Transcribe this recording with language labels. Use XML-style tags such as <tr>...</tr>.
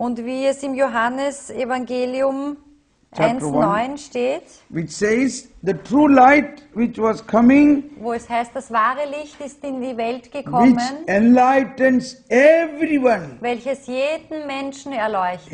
<de>Und wie es im Johannes Evangelium 1:9 steht.</de> <en>Which says the true light which was coming.</en> <de>Wo es heißt, das wahre Licht ist in die Welt gekommen.</de> <en>Which enlightens everyone.</en> <de>Welches jeden Menschen erleuchtet.</de>